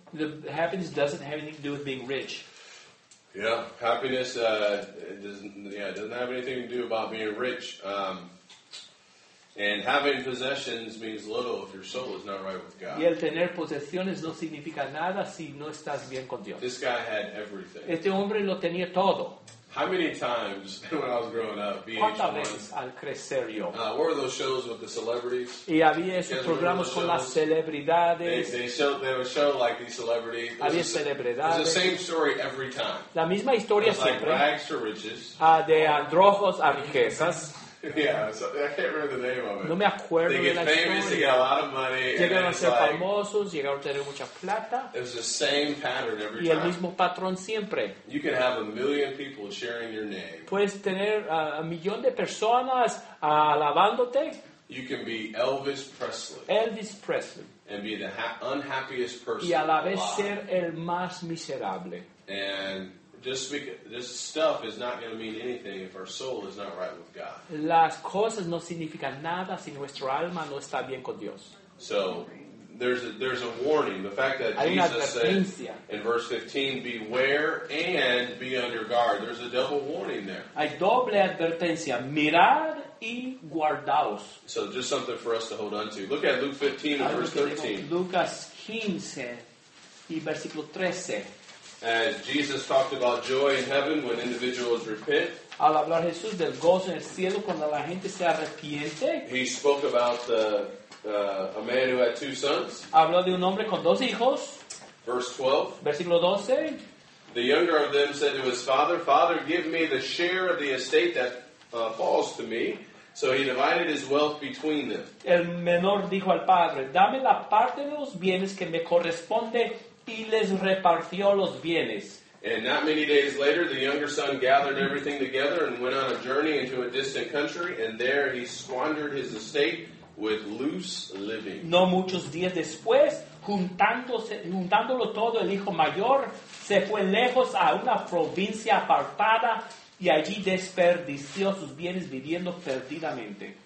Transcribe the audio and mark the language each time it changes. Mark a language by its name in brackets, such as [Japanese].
[English] The happiness doesn't have anything to do with being rich. Yeah, happiness doesn't have anything to do about being rich. And having possessions means little if your soul is not right with God. [Spanish] Y el tener posesiones no significa nada si no estás bien con Dios. [English] This guy had everything. [Spanish] Este hombre lo tenía todo. [English] How many times when I was growing up, VH1? [Spanish] ¿Cuántas veces al crecer yo? [English] What were those shows with the celebrities? [Spanish] Y había esos programas con las celebridades. [English] They would show like these celebrities. [Spanish] Había celebridades. [English] It was the same story every time. [Spanish] La misma historia siempre. [English] Like rags to riches. [Spanish] De androjos a riquezas. [English] Yeah, so I can't remember the name of it. [Spanish] No me acuerdo. [English] They get famous, [Spanish] historia. [English] They get a lot of money. [Spanish] Llegan [English] and [Spanish] a ser [English] like, [Spanish] famosos, llegan a tener mucha plata. [English] It's the same pattern every [Spanish] Y el mismo patrón siempre. [English] You can have a million people sharing your name. [Spanish] Puedes tener a millón de personas alabándote. [English] You can be Elvis Presley. [Spanish] Elvis Presley. [English] And be the unhappiest person. [Spanish] Y a la vez ser el más miserable. [English] And this stuff is not going to mean anything if our soul is not right with God. [Spanish] Las cosas no significan nada si nuestro alma no está bien con Dios. [English] So there's a warning. The fact that [Spanish] hay [English] Jesus said in verse 15, "Beware and be on your guard." There's a double warning there. [Spanish] Hay doble advertencia. Mirad y guardaos. [English] So just something for us to hold on to. Look at Luke 15 and verse 13. [Spanish] Lucas 15 y versículo 13. [English] As Jesus talked about joy in heaven when individuals repent, [Spanish] al hablar Jesús del gozo en el cielo cuando la gente se arrepiente, [English] he spoke about a man who had two sons. [Spanish] Habló de un hombre con dos hijos. [English] Verse 12. [Spanish] Versículo 12. [English] The younger of them said to his father, "Father, give me the share of the estate that falls to me." So he divided his wealth between them. [Spanish] El menor dijo al padre, "Dame la parte de los bienes que me corresponde." Y les repartió los bienes. [English] And not many days later, the younger son gathered everything together and went on a journey into a distant country, and there he squandered his estate with loose living. [Spanish] No muchos días después, juntándolo todo, el hijo mayor se fue lejos a una provincia apartada y allí desperdició sus bienes viviendo perdidamente.